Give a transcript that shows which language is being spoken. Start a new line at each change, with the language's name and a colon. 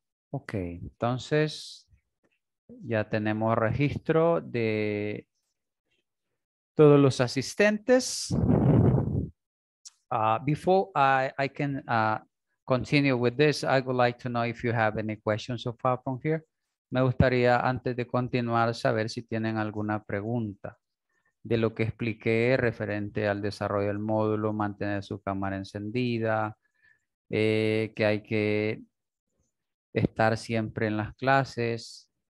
Spanish: Ok, entonces ya tenemos registro de todos los asistentes.
English: Before I can continue with this, I would like to know if you have any questions so far from here.
Spanish: Me gustaría, antes de continuar, saber si tienen alguna pregunta de lo que expliqué referente al desarrollo del módulo, mantener su cámara encendida, que hay que estar siempre en las clases.